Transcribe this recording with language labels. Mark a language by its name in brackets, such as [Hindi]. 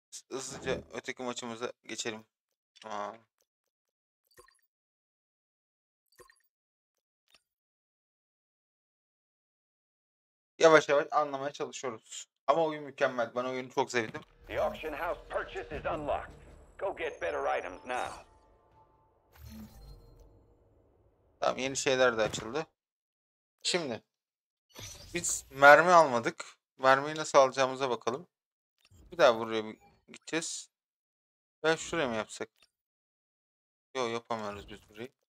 [Turkish] Hızlıca öteki maçımıza geçelim. Aa. Yavaş yavaş anlamaya çalışıyoruz. Ama oyun mükemmel. Ben oyunu çok sevdim. [English] The auction house purchase is unlocked. Go get better items now. [Turkish] Tamam, yeni şeyler de açıldı. Şimdi biz mermi almadık. Mermiyi nasıl alacağımıza bakalım. Bir daha buraya gideceğiz. Ben şuraya mı yapsak? Yok, yapamıyoruz biz burayı.